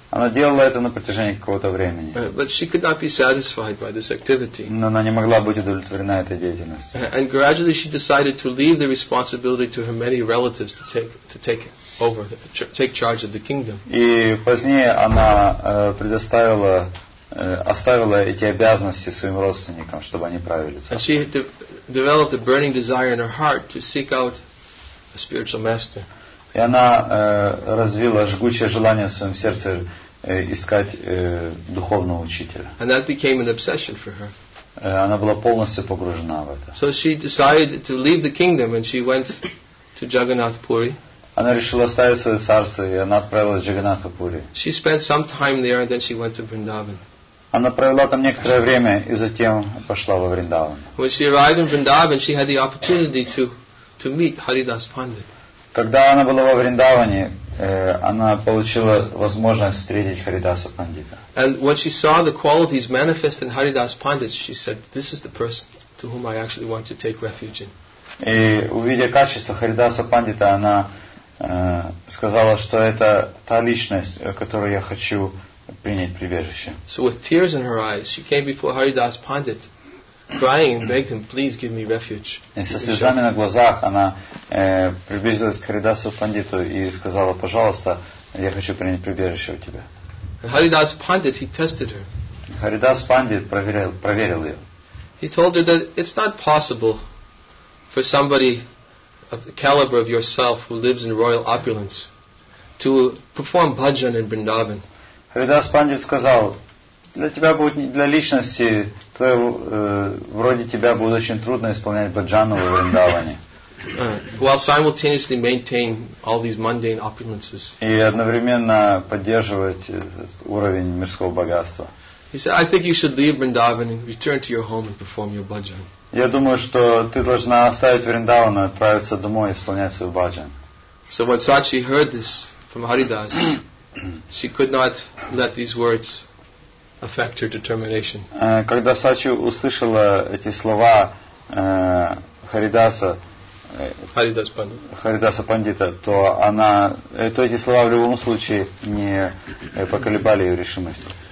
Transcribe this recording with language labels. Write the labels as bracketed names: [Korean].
[Russian] Она делала это на протяжении какого-то времени. [English] But she could not be satisfied by this activity. [Russian] Но она не могла быть удовлетворена этой деятельностью. [English] And gradually she decided to leave the responsibility to her many relatives to take charge of the kingdom. [Russian] И позднее она предоставила оставила эти обязанности своим родственникам, чтобы они правили царством. [English] And she had developed a burning desire in her heart to seek out a spiritual master. [Russian] И она развила жгучее желание в своем сердце искать духовного учителя. [English] And that became an obsession for her. [Russian] Она была полностью погружена в это. [English] So she decided to leave the kingdom and she went to Jagannath Puri. [Russian] Она решила оставить свое царство, и она отправилась в Джаганнатха Пури. [English] She spent some time there and then she went to Vrindavan. [Russian] Она провела там некоторое время и затем пошла во Вриндаван. [English] When she arrived in Vrindavan, she had the opportunity to meet Haridas Pandit. [Russian] Когда она была во Вриндаване, она получила возможность встретить Харидаса Пандита. [English] And when she saw the qualities manifest in Haridas Pandit, she said, "This is the person to whom I actually want to take refuge in." [Russian] И увидя качества Харидаса Пандита, она сказала, что это та личность, в которой я хочу принять прибежище. [English] So with tears in her eyes, she came before Haridas Pandit, crying and begged him, please give me refuge. [Russian] И со слезами на глазах она приблизилась к Харидасу Пандиту и сказала, пожалуйста, я хочу принять прибежище у тебя. [English] And Haridas Pandit, he tested her. [Russian] Харидас Пандит проверил ее. [English] He told her that it's not possible for somebody of the caliber of yourself who lives in royal opulence to perform bhajan in Vrindavan. [Russian] Харидас Пандит сказал, для тебя будет, для личности твоего, вроде тебя будет очень трудно исполнять бхаджану в Вриндаване. [English] While simultaneously maintain all these mundane opulences. [Russian] И одновременно поддерживать уровень мирского богатства. [English] He said, I think you should leave Vrindavan and return to your home and perform your bhajan. [Russian] Я думаю, что ты должна оставить Вриндаван и отправиться домой и исполнять свой бхаджан. [English] So when Sachi heard this from Haridas, she could not let these words affect her determination. [Russian] Когда Сачи услышала эти слова Харидаса Пандита, то она то эти слова в любом случае не поколебали ее решимость.